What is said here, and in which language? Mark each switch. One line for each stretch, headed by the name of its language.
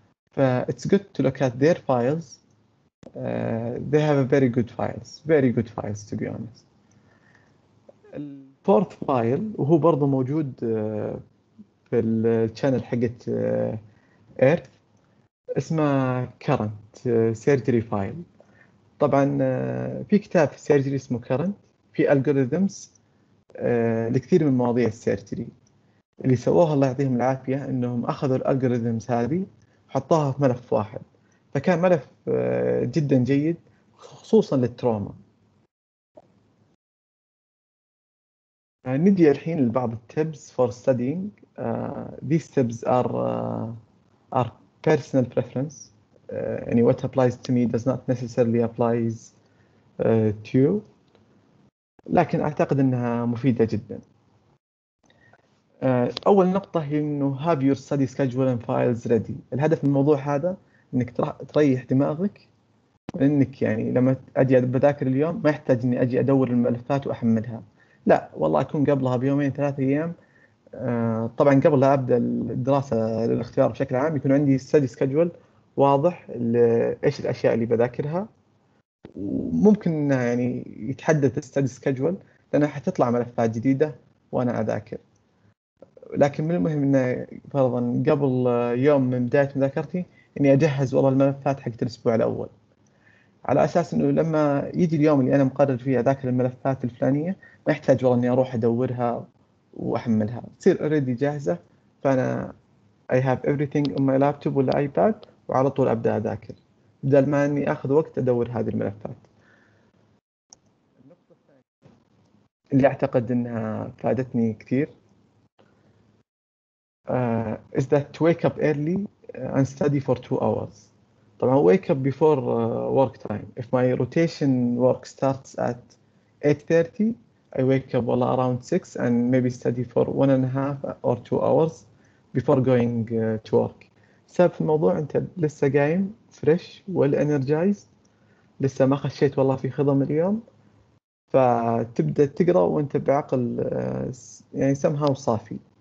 English: ف it's good to look at their files. They have a very good files to be honest. The fourth file,
Arabic: وهو برضو موجود في الشانل حقت Earth، اسمه Current Surgery File. طبعا في كتاب في Surgery اسمه Current، في algorithms لكثير من مواضيع Surgery. اللي سووها الله يعطيهم العافية انهم اخذوا algorithms هذه وحطوها في ملف واحد، فكان ملف جدا جيد خصوصا للتروما. نجي الحين لبعض التيبز
English: For studying. These tips are personal preference. Any what applies to me does not necessarily applies to you.
Arabic: لكن اعتقد انها مفيده جدا. اول نقطه هي انه
English: have your study schedule and files ready.
Arabic: الهدف من الموضوع هذا انك تريح دماغك، انك يعني لما اجي بذاكر اليوم ما يحتاج اني اجي ادور الملفات واحملها، لا والله اكون قبلها بيومين ثلاثة ايام، طبعا قبل لا ابدا الدراسه للاختبار بشكل عام يكون عندي ستدي سكجول واضح لايش الاشياء اللي بذاكرها. وممكن يعني يتحدث ستدي سكجول لان حتطلع ملفات جديده وانا اذاكر، لكن من المهم انه فرضا قبل يوم من بدايه مذاكرتي اني اجهز والله الملفات حقت الاسبوع الاول، على اساس انه لما يجي اليوم اللي انا مقرر فيه اذاكر الملفات الفلانيه ما احتاج والله اني اروح ادورها واحملها، تصير اوريدي جاهزه. فانا
English: اي هاف ايفريثينج اون ماي لابتوب
Arabic: ولا ايباد وعلى طول ابدا اذاكر بدل ما اني اخذ وقت ادور هذه الملفات. النقطه الثانيه اللي اعتقد انها فادتني كثير
English: is that to wake up early and study for 2 hours. طبعا wake up before work time. If my rotation work starts at 8:30, I wake up well around 6 and maybe study for 1.5 or 2 hours before going to work.
Arabic: سبب في الموضوع انت لسه قايم
English: fresh well energized،
Arabic: لسه ما خشيت والله في خضم اليوم، فتبدا تقرا وانت بعقل يعني somehow صافي.